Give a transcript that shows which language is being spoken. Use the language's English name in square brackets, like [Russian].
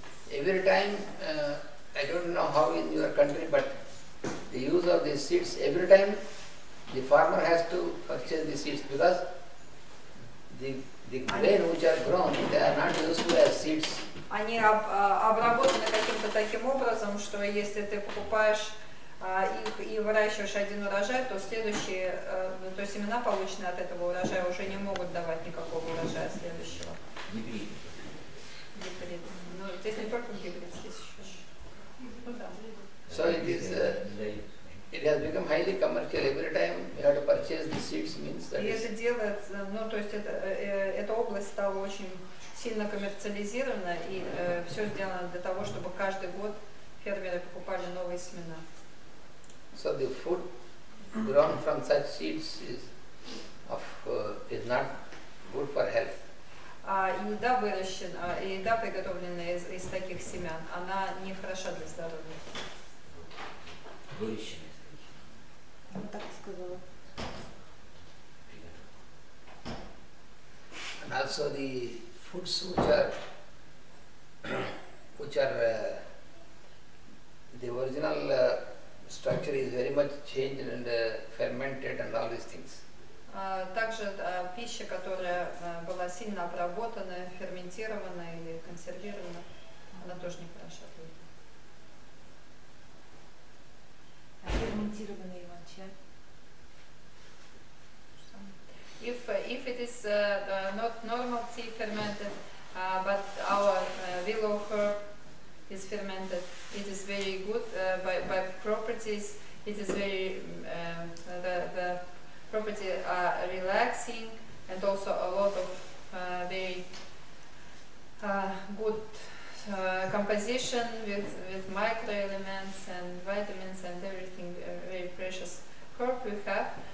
[English] Every time, I don't know how in your country, but the use of these seeds, every time the farmer has to purchase the seeds, because the grain which are grown, they are not useful as seeds. [Russian] Они обработаны каким-то таким образом, что если ты покупаешь их и выращиваешь один урожай, то следующие, то семена, полученные от этого урожая, уже не могут давать никакого урожая следующего. Гибрид. Но здесь не только гибрид, здесь еще. [English] So it has become highly commercial. Every time you have to purchase the seeds means that. [Russian] И это делает, ну то есть эта область стала очень сильно коммерциализирована, и все сделано для того, чтобы каждый год фермеры покупали новые семена. [English] So the food grown from such seeds is not good for health. [Russian] Еда выращена, еда приготовленная из таких семян, она не хороша для здоровья. Выращенная. Так сказала. [English] And also the foods which are the original structure is very much changed and fermented and all these things. [Russian] Также пища, которая была сильно обработана, ферментирована или консервирована, она тоже не хороша. Ферментированный иван-чай. [English] If it is not normal tea fermented, but our willow herb is fermented, it is very good by properties. It is very the property are relaxing and also a lot of very good composition with micro elements and vitamins and everything, very precious herb we have.